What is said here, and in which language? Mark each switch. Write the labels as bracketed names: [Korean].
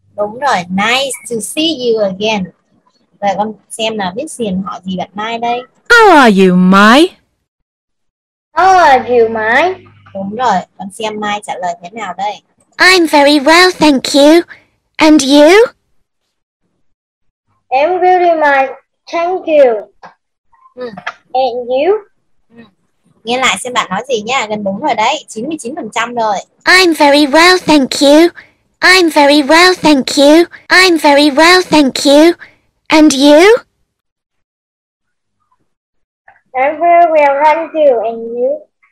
[Vietnamese] Đúng rồi, [English] nice to see you again. [Vietnamese] Rồi con xem nào, biết xin họ gì bạn Mai đây. [English] How are you, Mai? How are you, Mai? [Vietnamese] Đúng rồi, con xem Mai trả lời thế nào đây. [English] I'm very well, thank you. And you? I'm really much, thank you. And you? [Vietnamese] Nghe lại xem bạn nói gì nha, gần đúng rồi đấy, 99% rồi. [English] I'm very well, thank you. I'm very well, thank you. I'm very well, thank you. And you? I'm very well, thank you. And you?